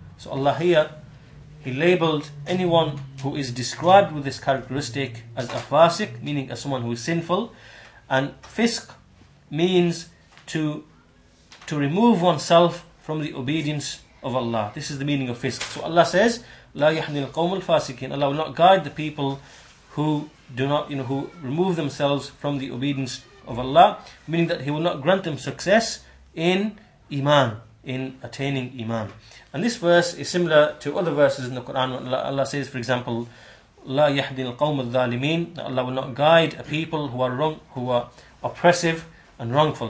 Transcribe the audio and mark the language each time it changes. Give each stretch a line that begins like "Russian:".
English: So Allah here, He labeled anyone who is described with this characteristic as a fasiq, meaning as someone who is sinful. And fisq means to remove oneself from the obedience of Allah. This is the meaning of fisq.
Arabic: So Allah says, لَا يَحْدِي الْقَوْمُ الْفَاسِقِينَ.
English: Allah will not guide the people who do not, you know, who remove themselves from the obedience of Allah, meaning that He will not grant them success in iman, in attaining iman. And this verse is similar to other verses in the Quran. Allah says, for example,
Arabic: "La yahdi al-qawm al-dhalimin,"
English: that Allah will not guide a people who are wrong, who are oppressive and wrongful.